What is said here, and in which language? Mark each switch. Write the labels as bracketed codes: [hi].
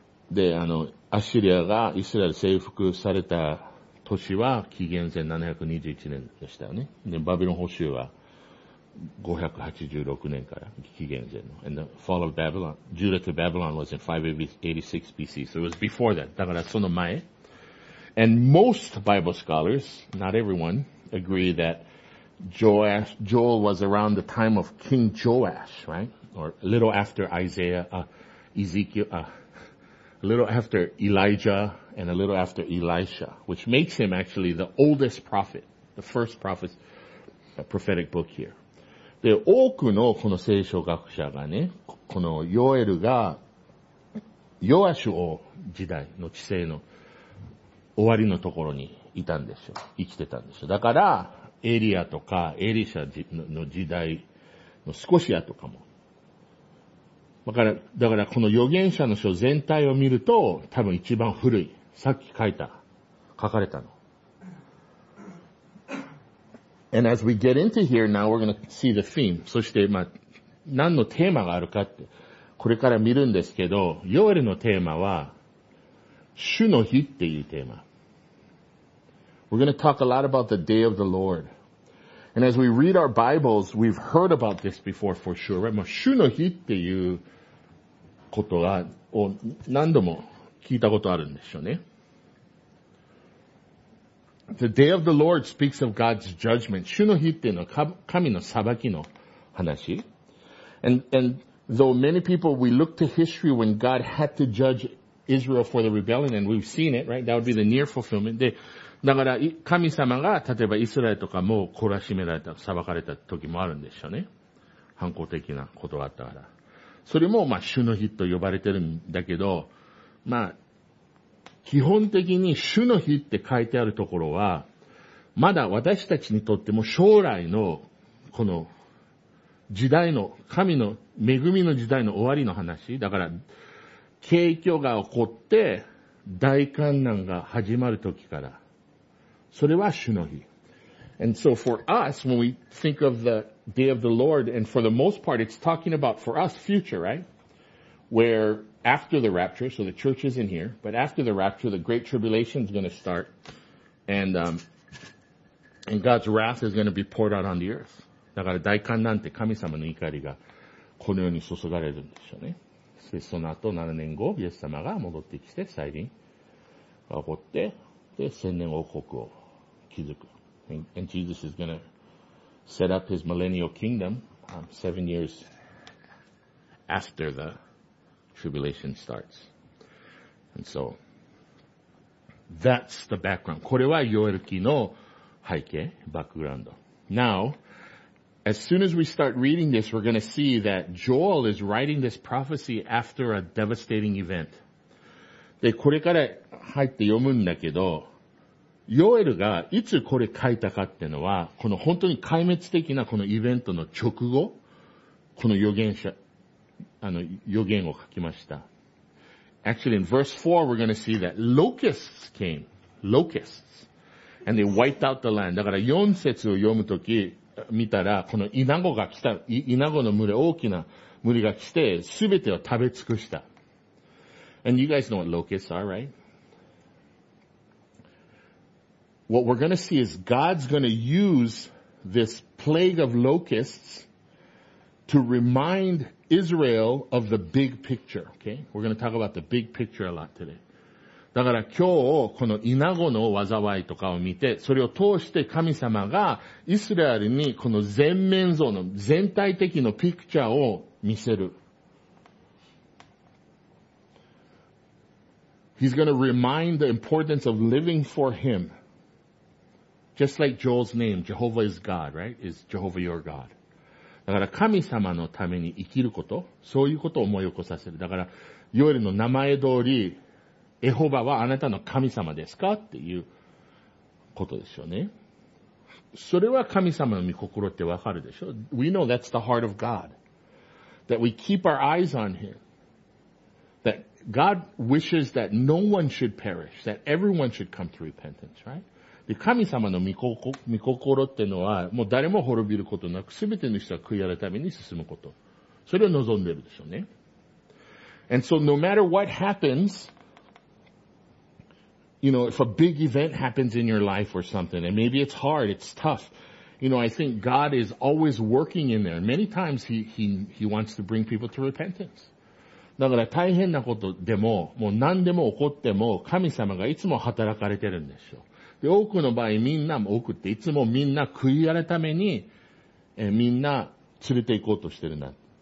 [ja] で、アッシリアがイスラエル征服された年は、紀元前721年でしたよね。で、バビロン捕囚は、586年から紀元前の。 [en] And the fall of Babylon, Judah to Babylon was in 586 BC. So it was before that. [ja] だからその前。 [en] And most Bible scholars, not everyone, agree that Joel was around the time of King Joash, right? Or a little after Elijah and a little after Elisha, which makes him actually the oldest prophet, the first prophet, prophetic book here. [ja] で、多くのこの聖書学者がね、このヨエルが、ヨアシュ王時代の治世の終わりのところにいたんですよ。生きてたんですよ。だから、エリアとかエリシャの時代の少しやとかも。だからこの預言者の書全体を見ると、多分一番古い。さっき書かれたの。 [en] And as we get into here, now we're going to see the theme. [ja] そして、まあ、何のテーマがあるかって、これから見るんですけど、ヨエルのテーマは、主の日っていうテーマ。 [en] We're going to talk a lot about the day of the Lord. And as we read our Bibles, we've heard about this before for sure, right? [ja] もう主の日っていうことが、を何度も聞いたことあるんでしょうね。 [en] The day of the Lord speaks of God's judgment. [ja] 主の日っていうのは神の裁きの話。 [en] And though many people, we look to history when God had to judge Israel for the rebellion, and we've seen it, right? That would be the near fulfillment. [ja] で、だから神様が例えばイスラエルとかも懲らしめられた、裁かれた時もあるんでしょうね。反抗的なことがあったから。それも、まあ、主の日と呼ばれてるんだけど、まあ、基本的に主の日って書いてあるところは、まだ私たちにとっても将来の、この、時代の、神の恵みの時代の終わりの話。だから、景況が起こって、大患難が始まる時から。それは主の日。 [en] And so for us, when we think of the day of the Lord, and for the most part, it's talking about for us future, right? Where after the rapture, so the church is in here, but after the rapture, the great tribulation is going to start, and God's wrath is going to be poured out on the earth. [ja] だから大患難って神様の怒りがこの世に注がれるんでしょうね。そしてその後7年後、イエス様が戻ってきて再臨が起こって、で、千年王国を築く。 [en] And Jesus is going to set up his millennial kingdom, 7 years after the tribulation starts. And so, that's the background. [ja] これはヨエル記の背景、バックグラウンド。 [en] Now, as soon as we start reading this, we're going to see that Joel is writing this prophecy after a devastating event. [ja] で、これから入って読むんだけど、ヨエルがいつこれ書いたかっていうのは、この本当に壊滅的なこのイベントの直後、この預言者、預言を書きました。 [en] Actually, in verse 4, we're going to see that locusts came. Locusts. And they wiped out the land. [ja] だから4節を読むとき、見たら、このイナゴが来た、イナゴの群れ、大きな群れが来て、すべてを食べ尽くした。 [en] And you guys know what locusts are, right? What we're going to see is God's going to use this plague of locusts to remind Israel of the big picture. Okay? We're going to talk about the big picture a lot today. [ja] だから今日このイナゴの災いとかを見て、それを通して神様がイスラエルにこの全面像の全体的なピクチャーを見せる。 [en] He's going to remind the importance of living for Him. Just like Joel's name, Jehovah is God, right? Is Jehovah your God? [ja] だから神様のために生きること、そういうことを思い起こさせる。だから、ヨエルの名前通り、エホバはあなたの神様ですかっていうことですよね。それは神様の御心ってわかるでしょ [en] ?We know that's the heart of God. That we keep our eyes on Him. That God wishes that no one should perish, that everyone should come to repentance, right? [ja] で神様の御心っていうのは、もう誰も滅びることなく、すべての人が悔い改めに進むこと。それを望んでるでしょうね。 [en] And so no matter what happens, you know, if a big event happens in your life or something, and maybe it's hard, it's tough, you know, I think God is always working in there. Many times he wants to bring people to repentance. [ja] だから大変なことでも、もう何でも起こっても、神様がいつも働かれてるんでしょう。で、多くの場合みんな、多くっていつもみんな悔い改めために、みんな連れて行こうとしてるんだ。